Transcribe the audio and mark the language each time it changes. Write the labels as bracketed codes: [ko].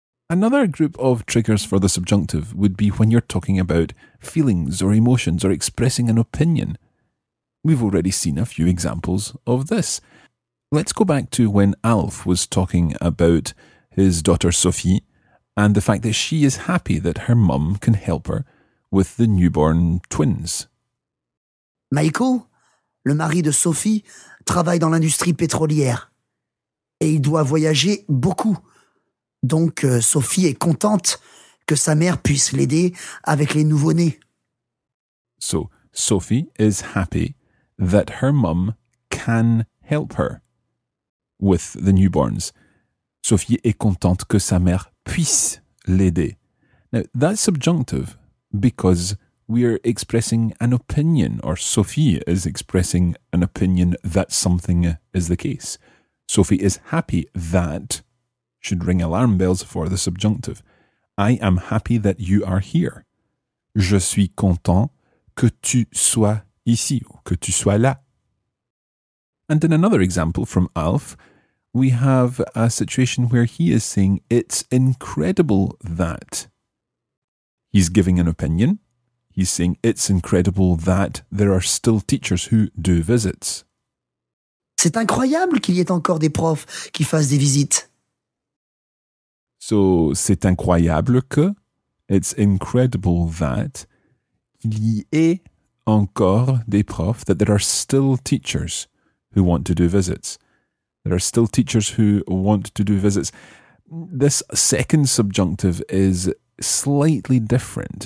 [en] Another group of triggers for the subjunctive would be when you're talking about feelings or emotions or expressing an opinion. We've already seen a few examples of this. Let's go back to when Alf was talking about his daughter Sophie and the fact that she is happy that her mum can help her with the newborn twins. [fr] Michael, le mari de Sophie, travaille dans l'industrie pétrolière et il doit voyager beaucoup. Donc Sophie est contente que sa mère puisse l'aider avec les nouveau-nés. [en] So, Sophie is happy that her mum can help her with the newborns. [fr] Sophie est contente que sa mère puisse l'aider. [en] Now, that's subjunctive because we are expressing an opinion, or Sophie is expressing an opinion that something is the case. Sophie is happy that should ring alarm bells for the subjunctive. I am happy that you are here. [fr] Je suis content que tu sois ici, ou que tu sois là. [en] And in another example from Alf, we have a situation where he is saying, it's incredible that. He's giving an opinion. He's saying, it's incredible that there are still teachers who do visits. [fr] C'est incroyable qu'il y ait encore des profs qui fassent des visites. [en] So, [fr] c'est incroyable que, [en] it's incredible that, [fr] il y ait encore des profs, [en] that there are still teachers who want to do visits. There are still teachers who want to do visits. This second subjunctive is slightly different.